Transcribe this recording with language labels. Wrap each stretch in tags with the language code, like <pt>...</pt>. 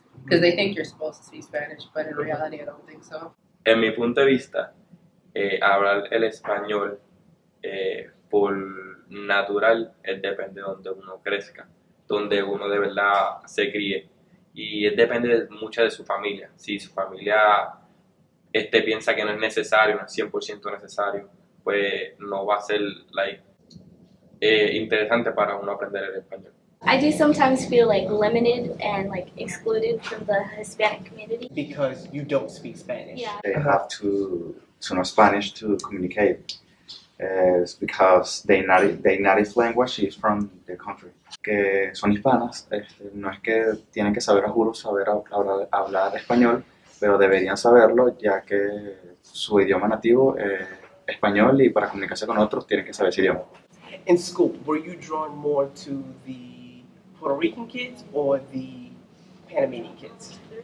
<en>Because they think you're supposed to speak Spanish, but in reality, I don't think so.</en> <es>En mi punto de vista, hablar el español por natural depende de donde uno crezca, donde uno de verdad se críe. Y depende mucho de su familia. Si su familia piensa que no es necesario, no es 100% necesario, pues no va a ser interesante para uno aprender el español.</es> <en>I do sometimes feel like limited and like excluded from the Hispanic community. Because you don't speak Spanish. Yeah. They have to know Spanish to communicate. is because their native language is from the country.</en> <es>Que son hispanas, no es que tienen que saber a juro saber hablar español, pero deberían saberlo ya que su idioma nativo es español y para comunicarse con otros tienen que saber ese idioma.</es> <en>In school, were you drawn more to the Puerto Rican kids or the Panamanian kids?</en>